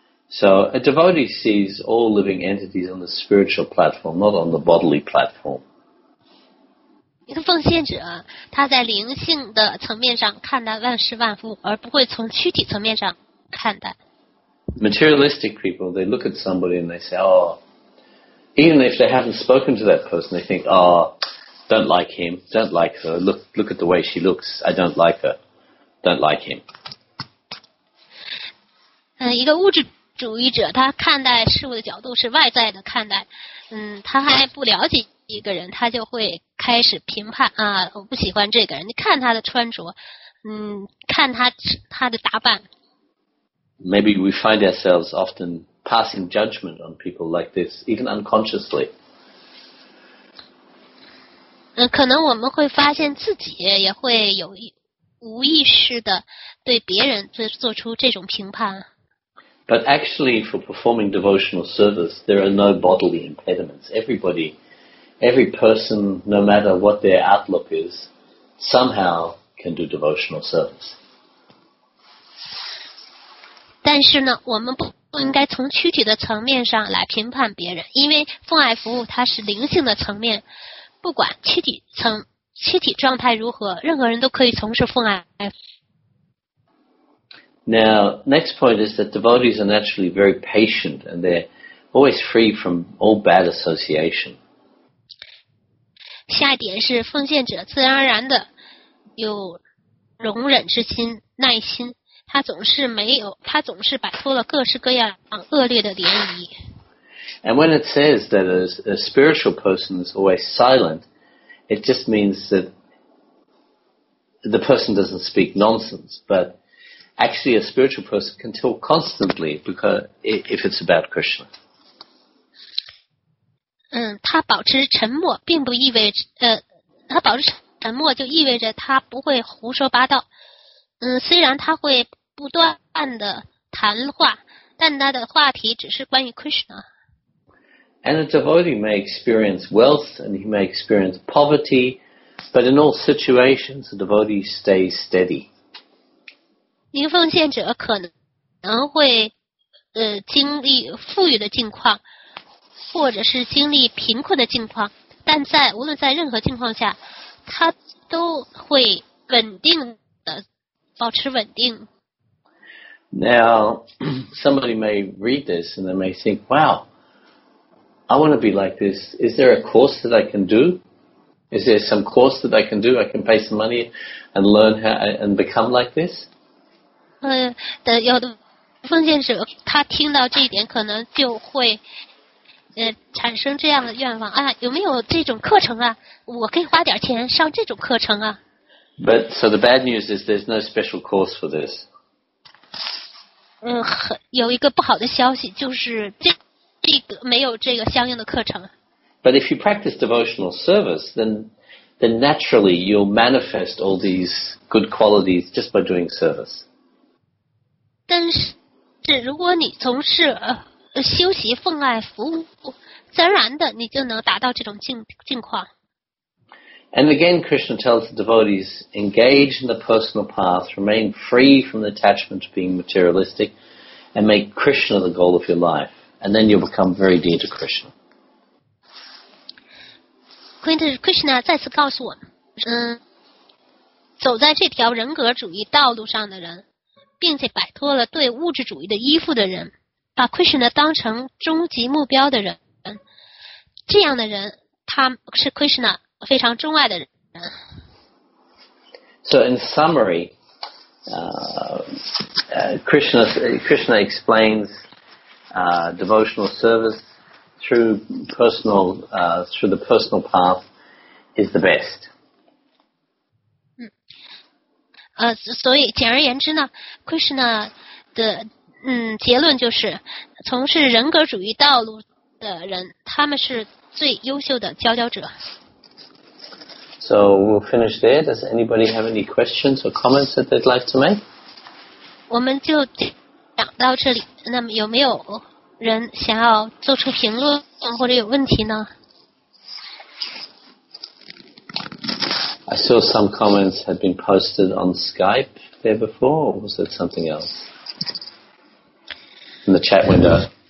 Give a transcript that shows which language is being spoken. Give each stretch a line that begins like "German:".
English: So a devotee sees all living entities on the spiritual platform, not on the bodily platform.
Chinese: 一个奉献者，他在灵性的层面上看待万事万物，而不会从躯体层面上看待。
English: Materialistic people, they look at somebody and they say, oh, even if they haven't spoken to that person, they think, oh, don't like him, don't like her, look at the way she looks, I don't like her, don't like him.
Chinese: 一个物质主义者，他看待事物的角度是外在的看待，他还不了解一个人，他就会开始评判，我不喜欢这个人，你看他的穿着，看他的打扮。
English: Maybe we find ourselves often passing judgment on people like this, even unconsciously.
Chinese: 可能我们会发现自己也会有无意识的对别人做出这种评判。
English: But actually, for performing devotional service, there are no bodily impediments. Everybody, every person, no matter what their outlook is, somehow can do devotional service.
Chinese: 但是呢，我们不应该从躯体的层面上来评判别人，因为奉爱服务它是灵性的层面，不管躯体状态如何，任何人都可以从事奉爱。
English: Now, next point is that devotees are naturally very patient and they're always free from all bad association.
Chinese: 下一点是奉献者自然而然的有容忍之心、耐心。他总是摆脱了各式各样恶劣的涟漪。
English: And when it says that a spiritual person is always silent, it just means that the person doesn't speak nonsense, but actually a spiritual person can talk constantly because if it's about Krishna.
Chinese: 他保持沉默并不意味着他保持沉默就意味着他不会胡说八道。虽然他会不断的谈话，但他的话题只是关于 Krishna。
English: And a devotee may experience wealth and he may experience poverty, but in all situations, a devotee stays steady.
Chinese: 灵奉献者可能会经历富裕的境况，或者是经历贫困的境况，但在无论在任何境况下，他都会稳定的保持稳定。
English: Now, somebody may read this and they may think, wow, I want to be like this. Is there a course that I can do? Is there some course that I can do? I can pay some money and learn how and become like this?
Chinese: 有的奉献者他听到这一点可能就会产生这样的愿望，有没有这种课程啊？我可以花点钱上这种课程啊。
English: But so the bad news is there's no special course for this.
Chinese: 有一个不好的消息就是这个没有这个相应的课程。
English: But if you practice devotional service, then naturally you'll manifest all these good qualities just by doing service.
Chinese: 但是如果你从事修习奉爱服务，自然的你就能达到这种境况。
English: And again, Krishna tells the devotees, engage in the personal path, remain free from the attachment to being materialistic, and make Krishna the goal of your life. And then you'll become very dear to Krishna.
Chinese: Krishna 再次告诉我们，走在这条人格主义道路上的人，并且摆脱了对物质主义的依附的人，把 Krishna 当成终极目标的人，这样的人，他是 Krishna非常钟爱的人。
English: So in summary, Krishna explains devotional service through the personal path is the best.
Chinese: 所以简而言之呢 ，Krishna 的结论就是，从事人格主义道路的人，他们是最优秀的佼佼者。
English: So we'll finish there. Does anybody have any questions or comments that they'd like to make?
Chinese: 我们就讲到这里。那么有没有人想要做出评论或者有问题呢
English: ？I saw some comments had been posted on Skype there before, or was it something else in the chat window?